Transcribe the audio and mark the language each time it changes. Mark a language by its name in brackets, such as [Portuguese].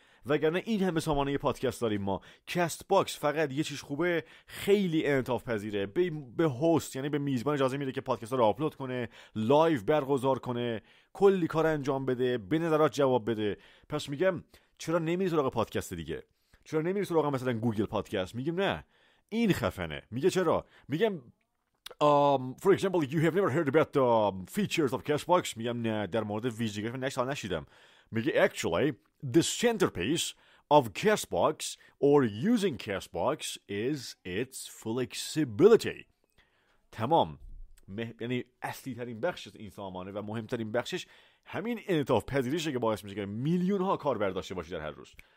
[Persian] وگرنه این همه سامانه پادکست داریم ما، کست باکس فقط یه چیز خوبه، خیلی انعطاف پذیره، به هوست یعنی به میزبان اجازه میده که پادکست رو آپلود کنه، لایو برگزار کنه، کلی کار انجام بده، به نظرات جواب بده. پس میگم چرا نمیری سراغ پادکست دیگه؟ چرا نمیری سراغ مثلا گوگل پادکست؟ میگم نه، این خفنه. میگه چرا؟ میگم [English] for example you have never heard about the features of Castbox. [Persian] میگم نه، در مورد ویژگی‌ها نشدم نشیدم. میگه [English] actually the centerpiece of Castbox or using Castbox is its flexibility. [Persian] تمام، یعنی اصلی ترین بخش این سامانه و مهمترین بخشش همین انعطاف پذیریشه که باعث میشه که میلیون ها کاربر داشته باشی در هر روز.